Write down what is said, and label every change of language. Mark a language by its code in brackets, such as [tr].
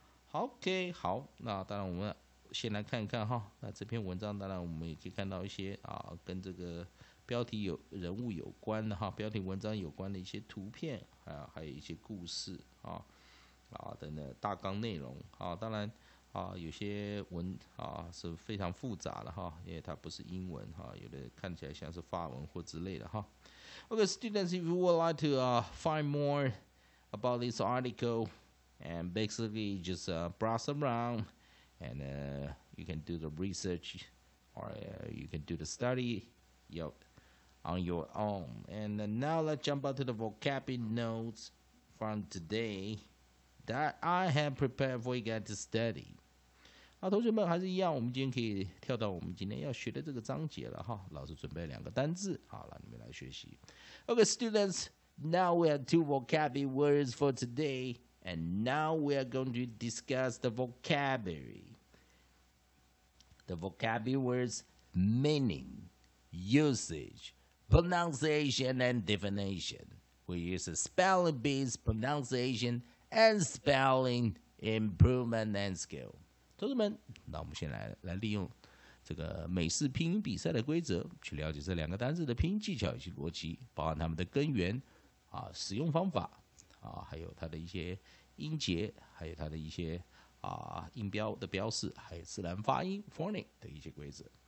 [zh] OK， 好，那当然我们先来看看哈，那这篇文章当然我们也可以看到一些啊，跟这个标题有人物有关的哈，标题文章有关的一些图片啊，还有一些故事啊，啊等等大纲内容啊，当然。啊，有些文啊是非常复杂的哈，因为它不是英文哈，有的看起来像是法文或之类的哈。 [en] Okay, students, if you would like to find more about this article, and basically just browse around, and you can do the research or you can do the study on your own. And now let's jump out to the vocabulary notes from today that I have prepared for you guys to study. [zh] 啊，同学们还是一样，我们今天可以跳到我们今天要学的这个章节了哈。老师准备两个单字，好，让你们来学习。 [en] Okay, students, now we have two vocabulary words for today, and now we are going to discuss the vocabulary. The vocabulary words, meaning, usage, pronunciation, and definition. We use the spelling bees, pronunciation, and spelling improvement and skill. [zh] 同学们，那我们先 来利用这个美式拼音比赛的规则，去了解这两个单字的拼音技巧以及逻辑，包含它们的根源、啊、使用方法、啊、还有它的一些音节，还有它的一些、啊、音标的标示，还有自然发音 phonics 的一些规则。